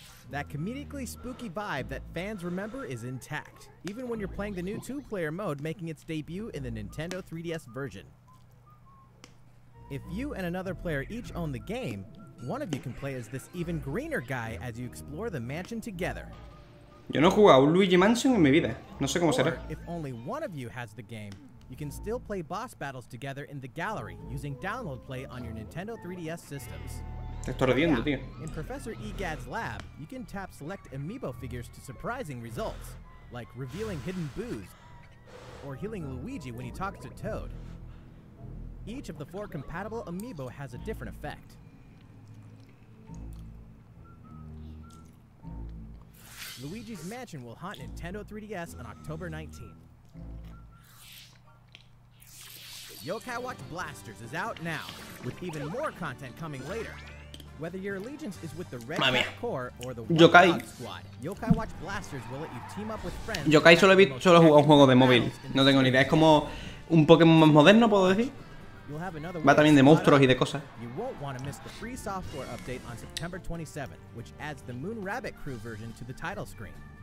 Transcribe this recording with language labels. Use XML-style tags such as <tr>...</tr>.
<en>That comedically spooky vibe that fans remember is intact, even when you're playing the new two-player mode making its debut in the Nintendo 3DS version. If you and another player each own the game, One of you can play as this even greener guy as you explore the mansion together.</en> <es>Yo no he jugado a un Luigi Mansion en mi vida. No sé cómo será.</es> <en>If only one of you has the game, you can still play boss battles together in the gallery using download play on your Nintendo 3DS systems.</en> <es>Te estoy ardiendo, tío.</es> <en>In Professor Egad's lab, you can tap select amiibo figures to surprising results, like revealing hidden boos or healing Luigi when he talks to Toad. Each of the four compatible amiibo has a different effect. Luigi's Mansion will haunt Nintendo 3DS on October 19th. Yo-Kai Watch Blasters is out now, with even more content coming later. Whether your allegiance is with the Red Core or the Yo-Kai Squad, Yo-Kai Watch Blasters will let you team up with friends.</en> <es>Yo-Kai solo jugó un juego de móvil. No tengo ni idea. Es como un Pokémon más moderno, puedo decir. Va también de monstruos y de cosas.</es> <en>You won't want to miss the free software update on September 27th, which adds the Moon Rabbit Crew version to the title screen.</en>